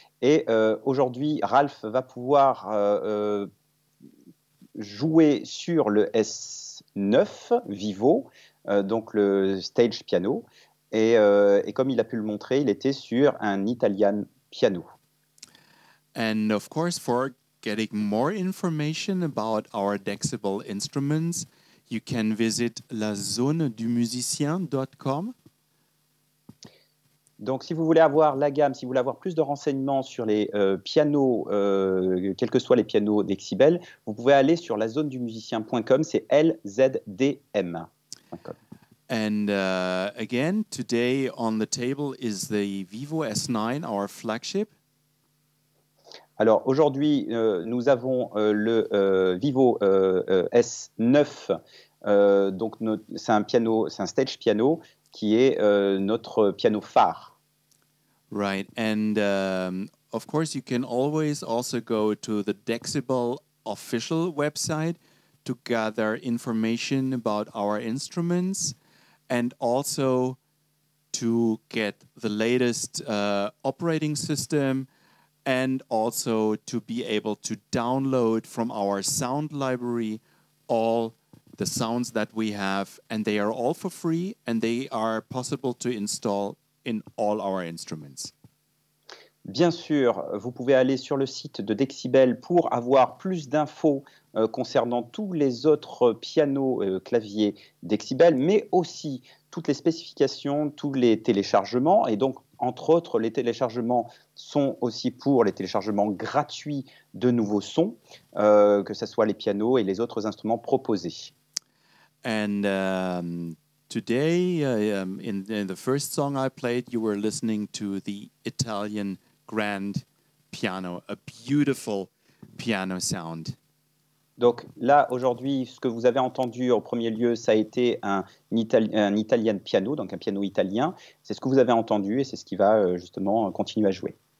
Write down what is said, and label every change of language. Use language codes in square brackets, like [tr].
[fr] Et aujourd'hui, Ralf va pouvoir jouer sur le S9 Vivo, donc le stage piano. Et comme il a pu le montrer, il était sur un Italian piano. [en] And of course, for getting more information about our Dexibol instruments, you can visit lazonedumusicien.com. [fr] Donc, si vous voulez avoir la gamme, si vous voulez avoir plus de renseignements sur les pianos, quels que soient les pianos Dexibol, vous pouvez aller sur lazonedumusicien.com. C'est LZDM. [en] And again, today on the table is the Vivo S9, our flagship. [fr] Alors aujourd'hui, nous avons le Vivo S9. Donc c'est un piano, c'est un stage piano qui est notre piano phare. [en] Right, and of course, you can always also go to the Dexibol official website to gather information about our instruments. And also to get the latest operating system, and also to be able to download from our sound library all the sounds that we have. And they are all for free, and they are possible to install in all our instruments. [fr] Bien sûr, vous pouvez aller sur le site de Dexibol pour avoir plus d'infos concernant tous les autres pianos claviers Dexibol, mais aussi toutes les spécifications, tous les téléchargements. Et donc, entre autres, les téléchargements sont aussi pour les téléchargements gratuits de nouveaux sons, que ce soit les pianos et les autres instruments proposés. [en] And today, in the first song I played, you were listening to the Italian grand piano, a beautiful piano sound. [fr] Donc là, aujourd'hui, ce que vous avez entendu en premier lieu, ça a été un Italian piano, donc un piano italien. C'est ce que vous avez entendu et c'est ce qui va justement continuer à jouer.